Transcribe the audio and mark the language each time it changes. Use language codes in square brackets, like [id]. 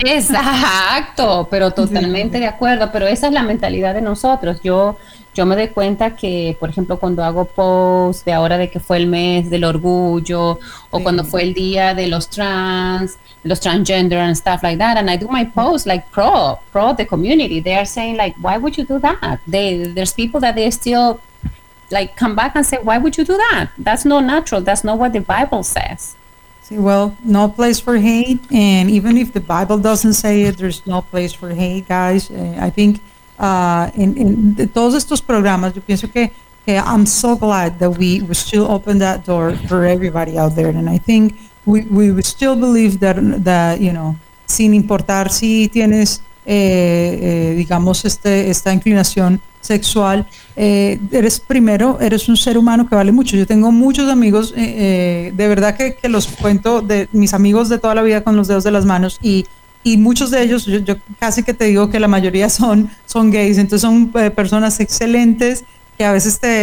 [es] Exacto, pero totalmente de acuerdo. Pero esa es la mentalidad de nosotros. Yo me doy cuenta que, por ejemplo, cuando hago posts de ahora de que fue el mes del orgullo o cuando fue el día de los transgender [en] and stuff like that, and I do my posts like pro the community. They are saying like, why would you do that? There's people that they still like come back and say, why would you do that? That's not natural. That's not what the Bible says. See, well, no place for hate. And even if the Bible doesn't say it, there's no place for hate, guys. I think in [es] de todos estos programas, yo pienso que [en] I'm so glad that we still open that door for everybody out there. And I think we still believe that, you know, [es] sin importar si tienes, digamos, esta inclinación sexual, eres un ser humano que vale mucho. Yo tengo muchos amigos, de verdad que los cuento, de mis amigos de toda la vida con los dedos de las manos, y muchos de ellos, yo casi que te digo que la mayoría son gays, entonces son personas excelentes que a veces